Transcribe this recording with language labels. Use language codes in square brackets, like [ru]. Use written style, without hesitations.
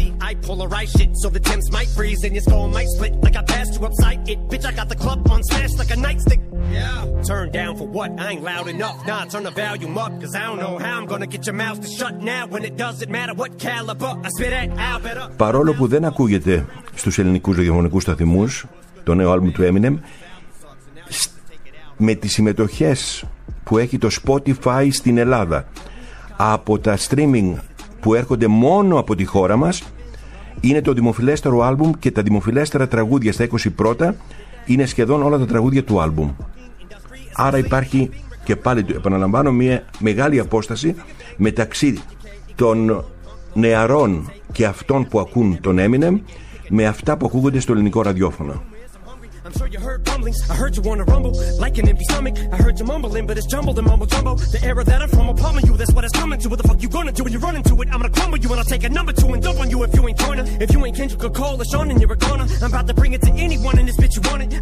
[en] I polarize shit so the temps might freeze and your skull might split like I passed you upside it. Bitch, I got the club on smash like a nightstick. Yeah. Turn down for what? I ain't loud enough. Nah, turn the volume up, cause I don't know how I'm gonna get your mouth to shut now when it doesn't matter what caliber I spit at. I'll better. [el] Παρόλο που δεν ακούγεται στους ελληνικούς ραδιοφωνικούς σταθμούς το νέο άλμπουμ του Eminem, με τις συμμετοχές που έχει το Spotify στην Ελλάδα από τα streaming που έρχονται μόνο από τη χώρα μας, είναι το δημοφιλέστερο άλμπουμ και τα δημοφιλέστερα τραγούδια στα 21 είναι σχεδόν όλα τα τραγούδια του άλμπουμ. Άρα υπάρχει, και πάλι επαναλαμβάνω, μια μεγάλη απόσταση μεταξύ των νεαρών και αυτών που ακούν τον Eminem με αυτά που ακούγονται στο ελληνικό ραδιόφωνο. [en] I'm sure you heard rumblings. I heard you wanna rumble like an empty stomach. I heard you mumbling, but it's jumbled and mumble jumbo. The era that I'm from, I'm palming you. That's what it's coming to. What the fuck you gonna do when you run into it? I'm gonna crumble you and I'll take a number two and dump on you if you ain't joining. If you ain't Kendrick or Cole or Sean and you're a goner, I'm about to bring it to anyone in this bitch you want it.